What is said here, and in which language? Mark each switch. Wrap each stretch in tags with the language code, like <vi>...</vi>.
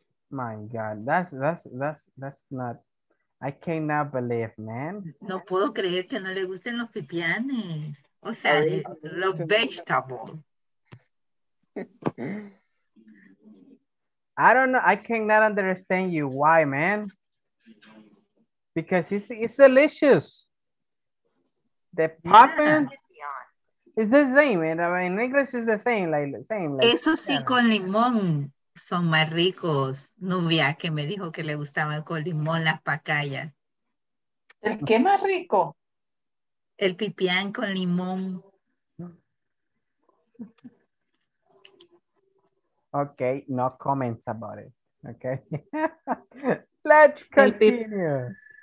<en>My God, that's not, I cannot believe, man.</en> <es>No puedo creer que no le gusten los pipianes. O sea, los</es> <en>vegetables. I don't know, I cannot understand you. Why, man? Because it's delicious. The popping. Yeah. It's the same, man. I mean, in English it's the same.</en> <es>Eso sí,</es> <en>yeah.</en> <es>Con limón. Son más ricos. Nubia, que me dijo que le gustaban con limón las pacayas. ¿El qué más rico? El pipián con limón.</es> <en>Okay, no comments about it. Okay. Let's continue.</en>